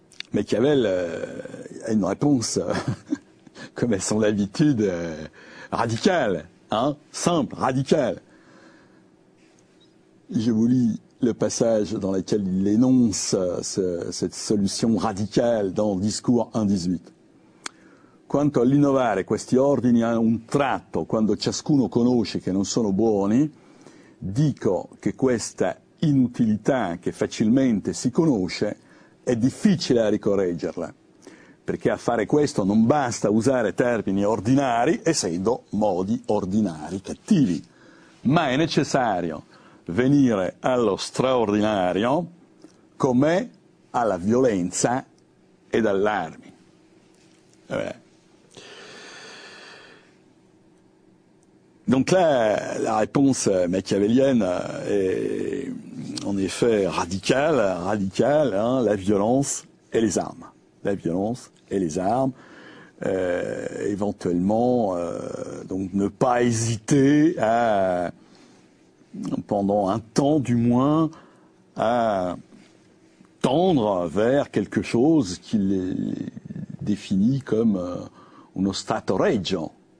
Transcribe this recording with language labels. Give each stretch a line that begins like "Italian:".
French: Machiavel a une réponse, comme à son habitude, radicale, hein, simple, radicale. Je vous lis le passage dans lequel il énonce cette solution radicale dans le discours 1.18.
Italian: Quanto a rinnovare questi ordini a un tratto, quando ciascuno conosce che non sono buoni, dico che questa inutilità che facilmente si conosce è difficile a ricorreggerla, perché a fare questo non basta usare termini ordinari, essendo modi ordinari cattivi, ma è necessario venire allo straordinario com'è alla violenza ed all'armi.
French: Donc là, la réponse machiavélienne est en effet radicale, hein, la violence et les armes. La violence et les armes, éventuellement, donc ne pas hésiter à, pendant un temps du moins, à tendre vers quelque chose qu'il définit comme
Italian: uno stato regio.